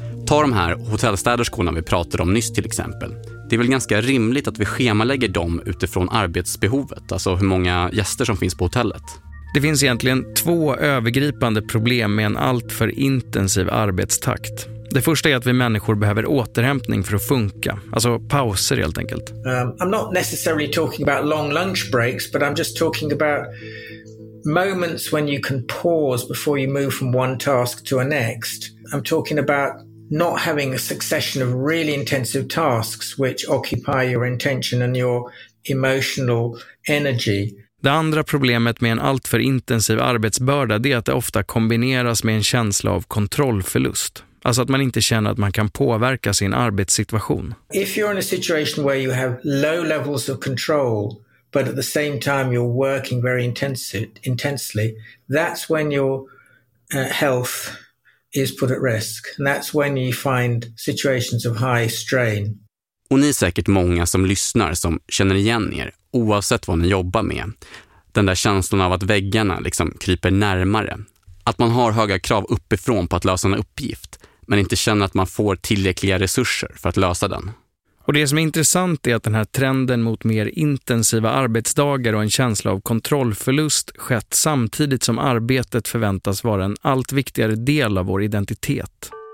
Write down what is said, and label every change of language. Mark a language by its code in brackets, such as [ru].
[sv] Ta de här hotellstäderskorna vi pratade om nyss till exempel. Det är väl ganska rimligt att vi schemalägger dem utifrån arbetsbehovet, alltså hur många gäster som finns på hotellet. Det finns egentligen två övergripande problem med en alltför intensiv arbetstakt. Det första är att vi människor behöver återhämtning för att funka, alltså pauser helt enkelt. [en] I'm not necessarily talking about long lunch breaks, but I'm just talking about moments when you can pause before you move from one task to a next. I'm talking about not having a succession of really intensive tasks which occupy your attention and your emotional energy. [sv] Det andra problemet med en alltför intensiv arbetsbörda är att det ofta kombineras med en känsla av kontrollförlust. Alltså att man inte känner att man kan påverka sin arbetssituation. [en] If you're in a situation where you have low levels of control, but at the same time you're working very intensely, that's when your health is put at risk. And that's when you find situations of high strain. [sv] Och ni är säkert många som lyssnar som känner igen er, oavsett vad ni jobbar med. den där känslan av att väggarna liksom kryper närmare. Att man har höga krav uppifrån på att lösa en uppgift, men inte känner att man får tillräckliga resurser för att lösa den. Och det som är intressant är att den här trenden mot mer intensiva arbetsdagar och en känsla av kontrollförlust skett samtidigt som arbetet förväntas vara en allt viktigare del av vår identitet.